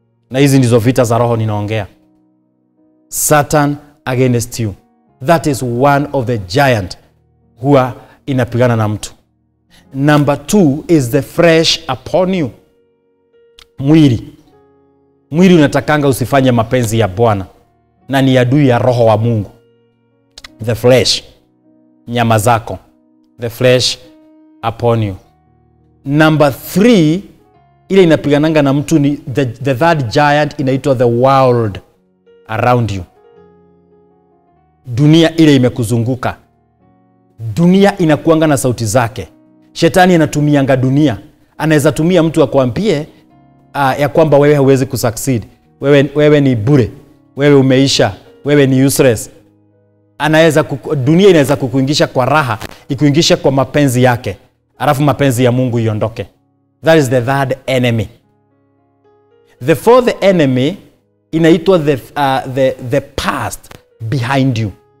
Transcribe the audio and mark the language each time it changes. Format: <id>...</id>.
<sw>Na hizi ndizo vita za roho ninaongea.</sw> <en>Satan against you. That is one of the giant</en> <sw>huwa inapigana na mtu.</sw> <en>Number two is the flesh upon you.</en> <sw>Mwili. Mwili unatakanga usifanye mapenzi ya Bwana. Na ni adui ya roho wa Mungu.</sw> <en>The flesh.</en> <sw>Nyama zako.</sw> <en>The flesh upon you. Number three,</en> <sw>ile inapigananga na mtu ni</sw> <en>the third giant</en> <sw>inaitwa</sw> <en>the world around you.</en> <sw>Dunia ile imekuzunguka. Dunia inakuanga na sauti zake. Shetani anatumianga dunia. Anaweza tumia mtu akwambie ya kwamba wewe huwezi kusucceed. Wewe ni bure. Wewe umeisha, wewe ni useless. Dunia inaweza kukuingisha kwa raha, ikuingisha kwa mapenzi yake. Alafu mapenzi ya Mungu iondoke.</sw> <en>That is the third enemy. The fourth enemy</en> <sw>inaitwa</sw> <en>the past behind you.</en>